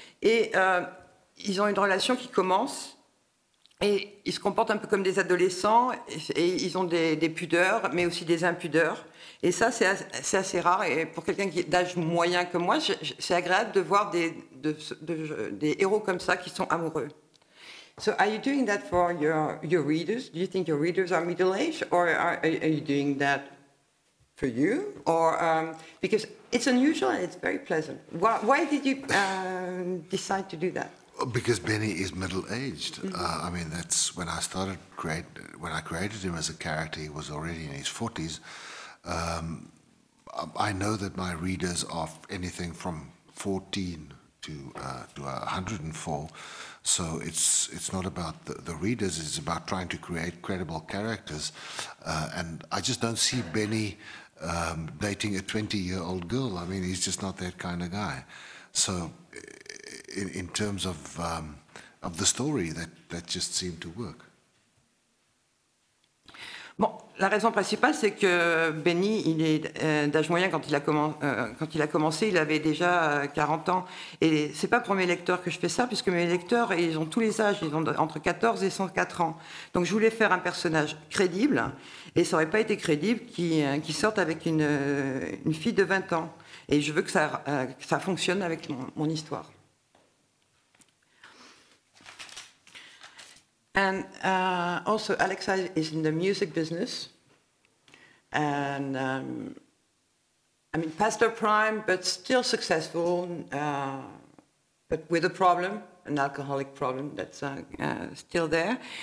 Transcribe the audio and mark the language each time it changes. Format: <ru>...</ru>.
<fr>Et ils ont une relation qui commence. Et ils se comportent un peu comme des adolescents, et ils ont des pudeurs, mais aussi des impudeurs. Et ça, c'est assez rare. Et pour quelqu'un qui est d'âge moyen comme moi, c'est agréable de voir des héros comme ça qui sont amoureux.</fr> <en>So are you doing that for your readers? Do you think your readers are middle-aged, or are you doing that for you? Or because it's unusual and it's very pleasant. Why did you decide to do that? Because Benny is middle-aged. Mm-hmm. I mean, that's when I started when I created him as a character, he was already in his 40s. I know that my readers are anything from 14 to 104. So it's not about the readers, it's about trying to create credible characters. And I just don't see Benny dating a 20-year-old girl. I mean, he's just not that kind of guy. So. In terms of the story, that just seemed to work.</en> <fr>Bon, la raison principale, c'est que Benny, il est d'âge moyen quand il a commencé, il avait déjà 40 ans. Et c'est pas pour mes lecteurs que je fais ça, puisque mes lecteurs, ils ont tous les âges, ils ont entre 14 et 104 ans. Donc je voulais faire un personnage crédible, et ça aurait pas été crédible qu'il sorte avec une fille de 20 ans. Et je veux que ça fonctionne avec mon histoire.</fr> <en>And also, Alexa is in the music business, and past her prime, but still successful. but with a problem, an alcoholic problem that's still there.</en>